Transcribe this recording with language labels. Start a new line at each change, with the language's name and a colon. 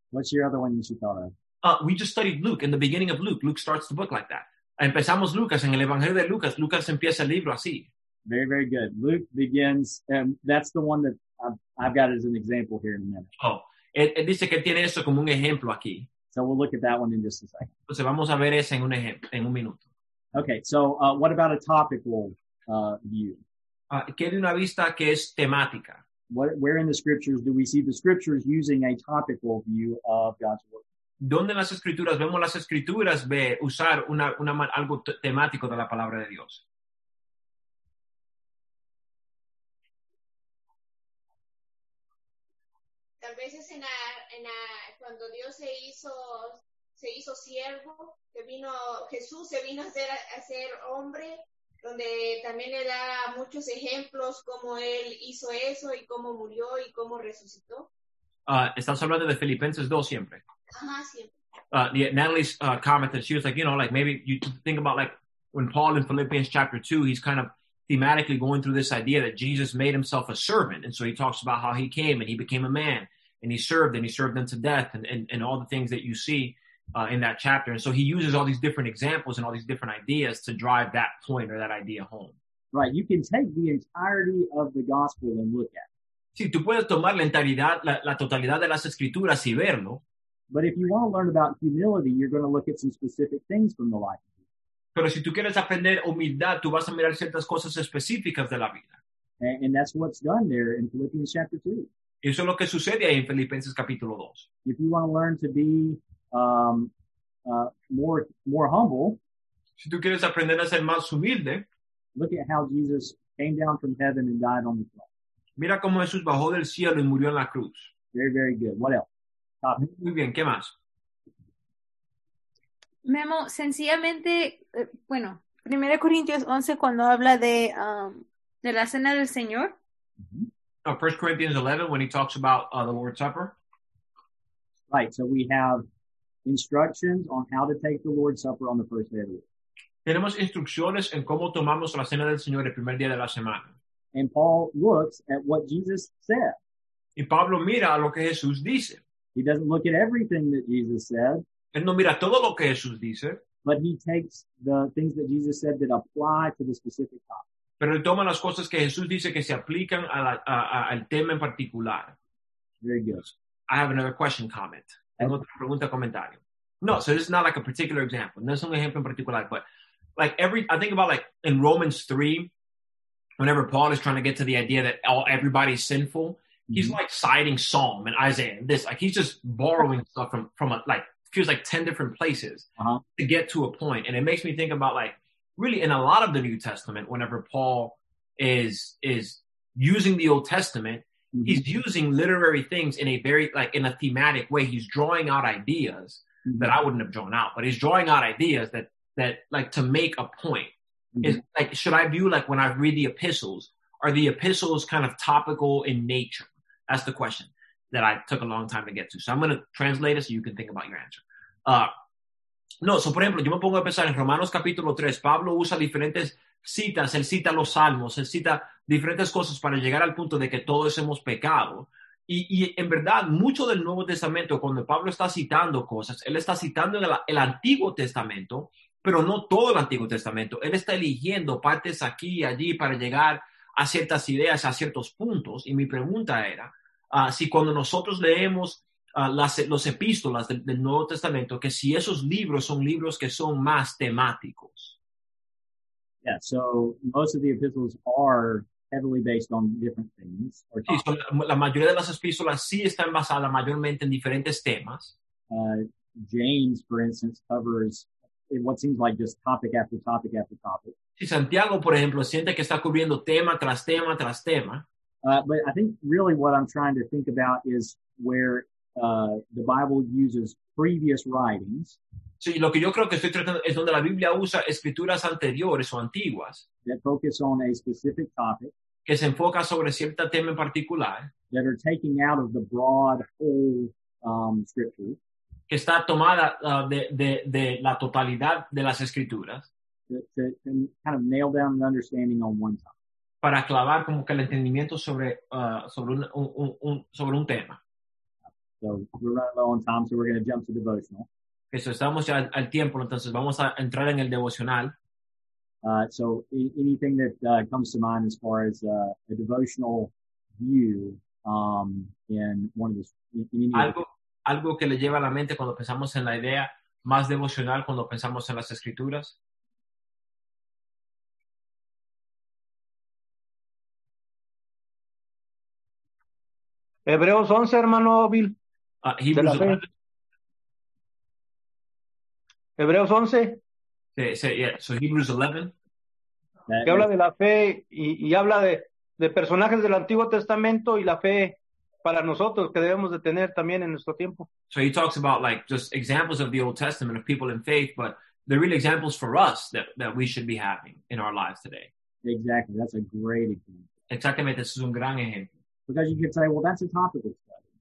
English: What's your other one you should thought of? We just studied Luke, in the beginning of Luke. Luke starts the book like that.
Spanish: Empezamos Lucas, en el Evangelio de Lucas. Lucas empieza el libro así.
English: Very, very good. Luke begins, and that's the one that I've got as an example here in a minute.
Spanish: Oh, it dice que tiene eso como un ejemplo aquí.
English: So we'll look at that one in just a second.
Spanish: Entonces vamos a ver eso en un minuto.
English: Okay, so what about a topical view?
Spanish: ¿Qué de una vista que es temática?
English: Where in the scriptures do we see the scriptures using a topical view of God's word?
Spanish: ¿Dónde en las escrituras vemos las escrituras ve usar algo temático de la palabra de Dios? Tal vez es cuando Dios se hizo siervo, Jesús se vino a ser hombre, donde también le da muchos ejemplos cómo él hizo eso y cómo murió y cómo resucitó. Estás hablando de Filipenses 2 siempre.
English: Natalie's comment that she was like, you know, like maybe you think about like when Paul in Philippians chapter 2, he's kind of thematically going through this idea that Jesus made himself a servant. And so he talks about how he came and he became a man and he served unto death and all the things that you see in that chapter. And so he uses all these different examples and all these different ideas to drive that point or that idea home. Right. You can take the entirety of the gospel and look at it.
Spanish: Sí, tú puedes tomar la totalidad de las escrituras y verlo.
English: But if you want to learn about humility, you're going to look at some specific things from the life.
Spanish: Pero si tú quieres aprender humildad, tú vas a mirar ciertas cosas específicas de la vida.
English: And that's what's done there in Philippians chapter 2.
Spanish: Eso es lo que sucede ahí en Filipenses capítulo 2.
English: If you want to learn to be more humble,
Spanish: si tú quieres aprender a ser más humilde,
English: look at how Jesus came down from heaven and died on the cross.
Spanish: Mira cómo Jesús bajó del cielo y murió en la cruz.
English: Very, very good. What else?
Spanish: Muy bien, ¿qué más? Memo, sencillamente, bueno, 1 Corintios 11 cuando habla de la cena del Señor. Mm-hmm.
English: Oh, 1 Corinthians 11 when he talks about the Lord's Supper. Right, so we have instructions on how to take the Lord's Supper on the first day of the week.
Spanish: Tenemos instrucciones en cómo tomamos la cena del Señor el primer día de la semana.
English: And Paul looks at what Jesus said.
Spanish: Y Pablo mira a lo que Jesús dice.
English: He doesn't look at everything that Jesus said.
Spanish: Él no mira todo lo que Jesús dice.
English: But he takes the things that Jesus said that apply to the specific topic.
Spanish: Pero él toma las cosas que Jesús dice que se aplican al tema en particular.
English: Very good. I have another question, comment.
Spanish: Tengo otra pregunta, comentario.
English: No, so this is not like a particular example.
Spanish: No es un ejemplo en particular.
English: But like I think about like in Romans 3, whenever Paul is trying to get to the idea that everybody's sinful, he's like citing Psalm and Isaiah and this. Like he's just borrowing stuff from feels like 10 different places to get to a point. And it makes me think about like really in a lot of the New Testament, whenever Paul is using the Old Testament, mm-hmm. he's using literary things in a very like in a thematic way. He's drawing out ideas mm-hmm. that I wouldn't have drawn out, but he's drawing out ideas that like to make a point. Mm-hmm. Is like should I view like when I read the epistles? Are the epistles kind of topical in nature? That's the question that I took a long time to get to. So I'm going to translate it so you can think about your answer.
Spanish: Por ejemplo, yo me pongo a pensar en Romanos capítulo 3. Pablo usa diferentes citas. Él cita los salmos. Él cita diferentes cosas para llegar al punto de que todos hemos pecado. Y en verdad, mucho del Nuevo Testamento, cuando Pablo está citando cosas, él está citando el Antiguo Testamento, pero no todo el Antiguo Testamento. Él está eligiendo partes aquí y allí para llegar a ciertas ideas, a ciertos puntos. Y mi pregunta era, si cuando nosotros leemos los epístolas del Nuevo Testamento, que si esos libros son libros que son más temáticos.
English: Yeah, so most of the epistles are heavily based on different things.
Spanish: Sí, so la mayoría de las epístolas sí están basadas mayormente en diferentes temas.
English: James, for instance, covers what seems like just topic after topic after topic.
Spanish: Si Santiago, por ejemplo, siente que está cubriendo tema tras tema tras tema.
English: But I think really what I'm trying to think about is where the Bible uses previous writings.
Spanish: Sí, lo que yo creo que estoy tratando es donde la Biblia usa escrituras anteriores o antiguas.
English: That focus on a specific topic.
Spanish: Que se enfoca sobre cierto tema en particular.
English: That are taking out of the broad whole scripture.
Spanish: Que está tomada de la totalidad de las escrituras.
English: To kind of nail down an understanding on one topic.
Spanish: Para clavar como que el entendimiento sobre sobre un tema.
English: So we're running low on time, so we're going to jump to devotional.
Spanish: Eso, estamos ya al tiempo, entonces vamos a entrar en el devocional.
English: So anything that comes to mind as far as a devotional view in one of the
Spanish: algo que le lleva a la mente cuando pensamos en la idea más devocional cuando pensamos en las escrituras. Hebreos 11, hermano Bill. Hebreos 11.
English: So Hebrews 11.
Spanish: Que habla de la fe y habla de personajes del Antiguo Testamento y la fe para nosotros que debemos de tener también en nuestro tiempo.
English: So he talks about like just examples of the Old Testament of people in faith, but the real examples for us that we should be having in our lives today. Exactly, that's a great example.
Spanish: Exactamente, es un gran ejemplo.
English: Because you could say, well, that's a topical study.